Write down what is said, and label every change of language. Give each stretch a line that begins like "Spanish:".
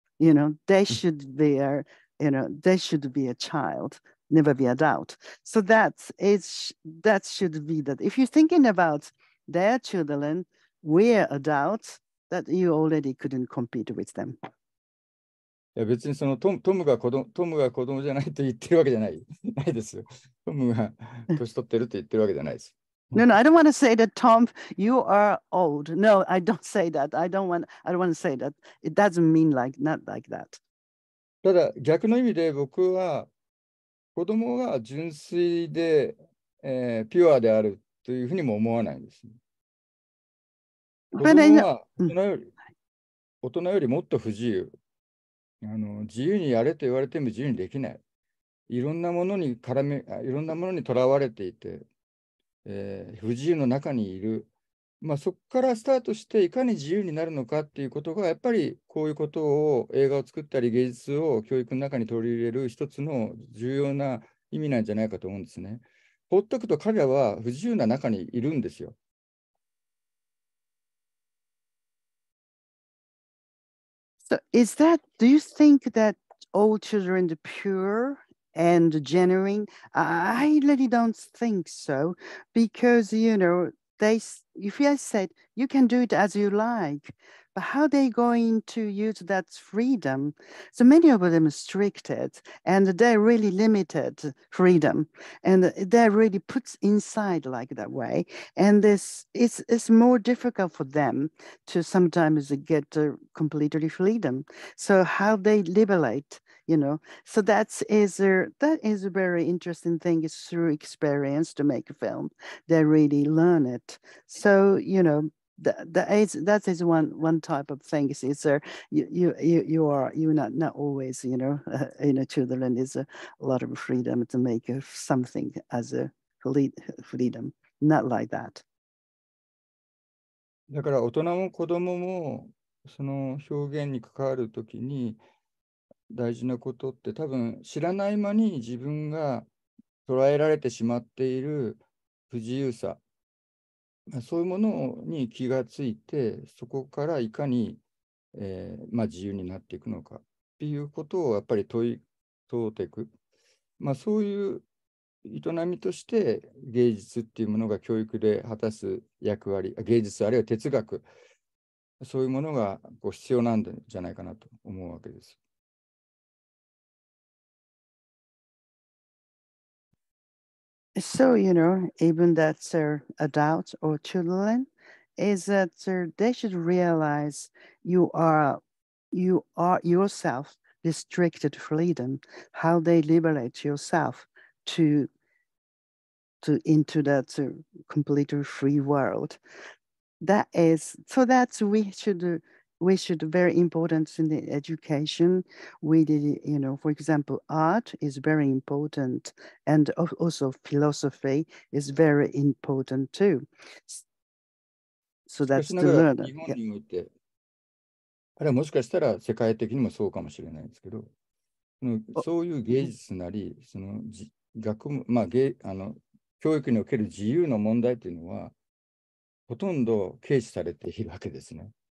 English: You know, they should be a, you know, they should be a child, never be adult. So that should be that. If you're thinking about their children, we're adults, that you already couldn't compete with them.
Japanese: いや、別にそのトムが子供じゃないと言ってるわけじゃない。ないですよ。トムが年取ってると言ってるわけじゃないです。
English: No, I don't want to say that, Tom, you are old. No, I don't say that. I don't want to say that. It doesn't mean like, not like that.
Japanese: ただ逆の意味で僕は子供が純粋で、ピュアであるというふうにも思わないんです。子供は大人よりもっと不自由。あの、自由にやれと言われても自由にできない。いろんなものにとらわれていて、不自由の中にいる、まあ、そこからスタートしていかに自由になるのかっていうことがやっぱりこういうことを映画を作ったり芸術を教育の中に取り入れる一つの重要な意味なんじゃないかと思うんですね。ほっとくと彼らは不自由な中にいるんですよ。
English: So is that, do you think that all children are pure and genuine? I really don't think so, because, you know, they, if I said you can do it as you like, but how are they going to use that freedom? So many of them are restricted and they're really limited freedom, and they're really put inside like that way. And this it's more difficult for them to sometimes get completely freedom. So how they liberate, you know, so that is a very interesting thing, is through experience to make a film, they really learn it. So, you know, that is one type of thing. Is there, you're not always, you know, you know, children is a lot of freedom to make something as a freedom, not like that.
Japanese: だから大人も子供もその表現に関わるときに大事なことって、多分知らない間に自分が捉えられてしまっている不自由さ、そういうものに気がついて、そこからいかに、まあ、自由になっていくのかっていうことをやっぱり問うていく、まあ、そういう営みとして芸術っていうものが教育で果たす役割、芸術あるいは哲学、そういうものがこう必要なんじゃないかなと思うわけです。
English: So, you know, even that adults or children, is that they should realize you are yourself restricted freedom. How they liberate yourself to into that completely free world. That is, so that we should very important in the education. We did, you know, for example, art is very important, and also philosophy is very important too. So that's to learn.
Japanese: 日本において、あれはもしかしたら世界的にもそうかもしれないですけど、そういう芸術なり、その学問、まあ、教育における自由の問題というのは、ほとんど軽視されているわけですね。